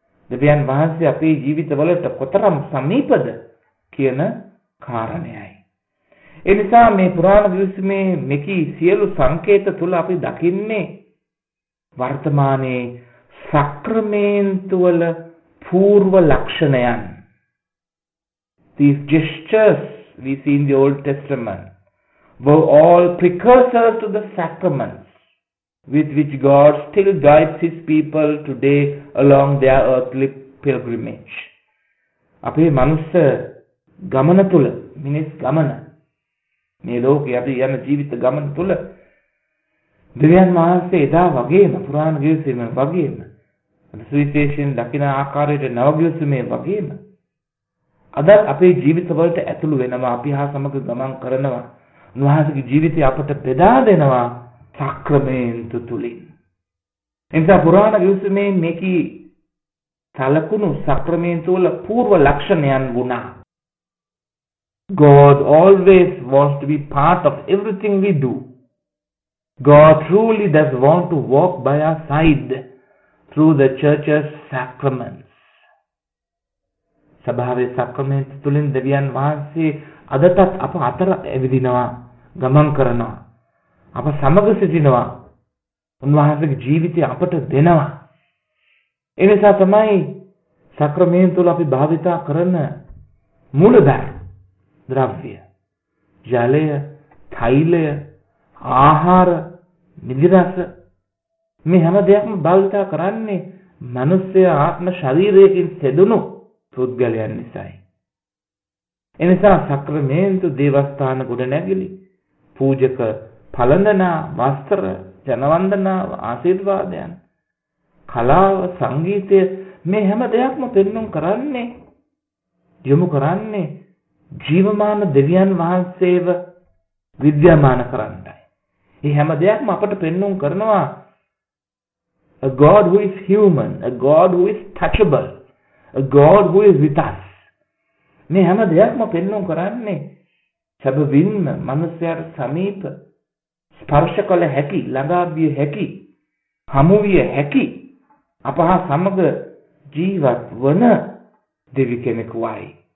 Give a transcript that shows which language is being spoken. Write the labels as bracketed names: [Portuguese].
[Sinhala] දෙවියන් වහන්සේ අපේ ජීවිතවලට කොතරම් සමීපද කියන කාරණයයි. ඒ නිසා මේ පුරාණ දිවිසුමේ මෙකී සියලු සංකේත තුළ අපි දකින්නේ වර්තමානයේ සක්‍රමේන්තුවල పూర్ව ලක්ෂණයන්. [English] These gestures we see in the Old Testament were all precursors to the sacraments. With which God still guides His people today along their earthly pilgrimage. [Sinhala] අපේ මනුස්ස ගමන තුල, මිනිස් ගමන, මේ ලෝකේ අපි යන ජීවිත ගමන තුල දෙවියන් වහන්සේ එදා වගේම පුරාණ ගිවිසුමේ වගේම සුවිශේෂයෙන් දකින ආකාරයට නව ගිවිසුමේ වගේම අද අපේ ජීවිතවලට ඇතුළු වෙනවා, අපි හා සමග ගමන් කරනවා, උන්වහන්සේගේ ජීවිතය අපට බෙදා දෙනවා සක්‍රමේන්තු තුලින්. එනිසා පුරාණ ගිවිසුමේ මේකී සලකුණු සක්‍රමේන්තු වල పూర్ව ලක්ෂණයන් වුණා. [English] God always wants to be part of everything we do. God truly does want to walk by our side through the church's sacraments. [Sinhala] සභාවේ සක්‍රමේන්තු තුලින් දෙවියන් වහන්සේ අදටත් අප අතර ඇවිදිනවා, ගමන් කරනවා, අප සමග සිටිනවා, උන්වහන්සේගේ ජීවිතය අපට දෙනවා. එනිසා තමයි සක්‍රමේන්තුල අපි භාවිතා කරන මූලධර්ම ද්‍රව්‍ය, ජලය, තෛලය, ආහාර, නිදිරස, මේ හැම දෙයක්ම භාවිතා කරන්නේ මනුස්සය ආත්ම ශරීරයකින් සෙදුණු පුද්ගලයන් නිසායි. එනිසා සක්‍රමේන්තු දේවස්ථාන ගොඩනැගිලි, පූජක පළඳනා, වස්ත්‍ර, ජනවන්දනාව, ආශිර්වාදයන්, කලාව, සංගීතය, මේ හැම දෙයක්ම පෙන්නුම් කරන්නේ, යොමු කරන්නේ ජීවමාන දෙවියන් වහන්සේව විද්‍යමාන කරන්නයි. මේ හැම දෙයක්ම අපට පෙන්නුම් කරනවා [English] a god who is human, a god who is touchable, a god who is with us. [Sinhala] මේ හැම දෙයක්ම පෙන්නුම් කරන්නේ සැබවින්ම මනුස්සයාට සමීප, ස්පර්ශ කළ හැකි, ළඟා විය හැකි, හමු විය හැකි, අපහා සමග ජීවත් වන දෙවි කෙනෙකුයි.